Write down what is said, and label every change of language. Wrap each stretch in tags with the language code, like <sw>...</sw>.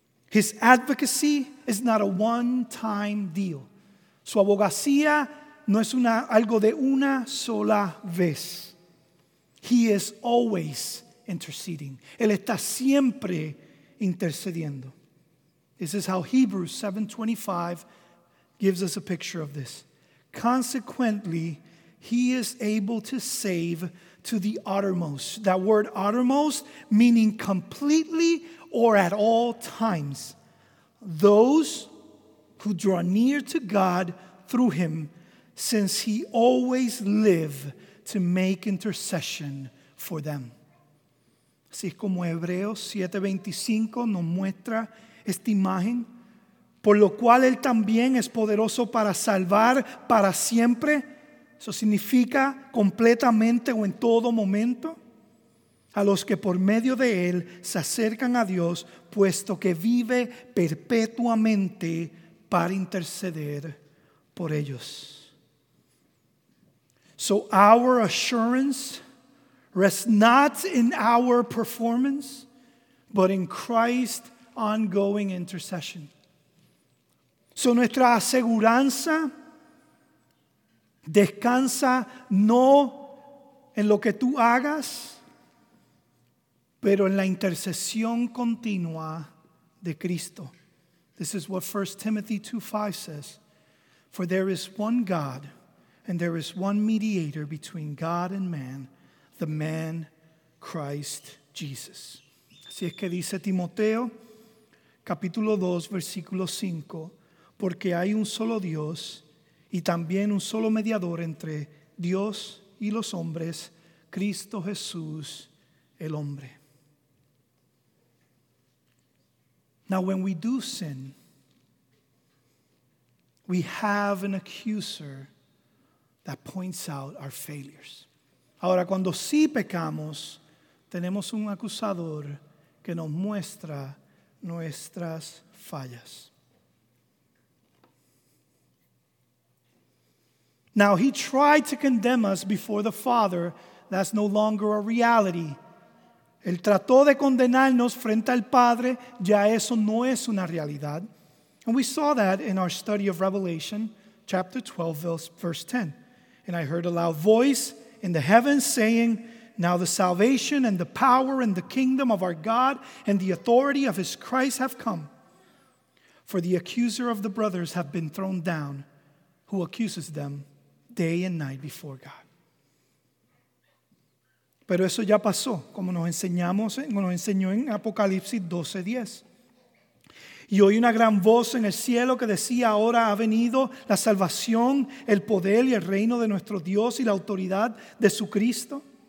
<en>His advocacy is not a one-time deal.</en> <es>Su abogacía no es algo de una sola vez.</es> <en>He is always interceding.</en> <es>Él está siempre intercediendo.</es> <en>This is how Hebrews 7:25 gives us a picture of this. Consequently, he is able to save to the uttermost. That word uttermost meaning completely or at all times, those who draw near to God through him, since he always lives to make intercession for them.</en> <es>Así es como Hebreos 7:25 nos muestra esta imagen, por lo cual él también es poderoso para salvar para siempre. Eso significa completamente o en todo momento. A los que por medio de él se acercan a Dios, puesto que vive perpetuamente para interceder por ellos.</es> <en>So our assurance rests not in our performance, but in Christ's ongoing intercession.</en> <es>So nuestra aseguranza descansa no en lo que tú hagas, pero en la intercesión continua de Cristo.</es> <en>This is what 1 Timothy 2:5 says. For there is one God, and there is one mediator between God and man, the man Christ Jesus.</en> <es>Así es que dice Timoteo, capítulo 2, versículo 5. Porque hay un solo Dios, y también un solo mediador entre Dios y los hombres, Cristo Jesús, el hombre.</es> <en>Now, when we do sin, we have an accuser that points out our failures.</en> <es>Ahora, cuando sí pecamos, tenemos un acusador que nos muestra nuestras fallas.</es> <en>Now, he tried to condemn us before the Father. That's no longer a reality.</en> <es>Él trató de condenarnos frente al Padre. Ya eso no es una realidad.</es> <en>And we saw that in our study of Revelation, chapter 12, verse 10. And I heard a loud voice in the heavens saying, "Now the salvation and the power and the kingdom of our God and the authority of his Christ have come. For the accuser of the brothers have been thrown down, who accuses them day and night before God."</en> <es>Pero eso ya pasó, como nos enseñó en Apocalipsis 12:10. Y oí una gran voz en el cielo que decía, ahora ha venido la salvación, el poder y el reino de nuestro Dios y la autoridad de su Cristo.</es>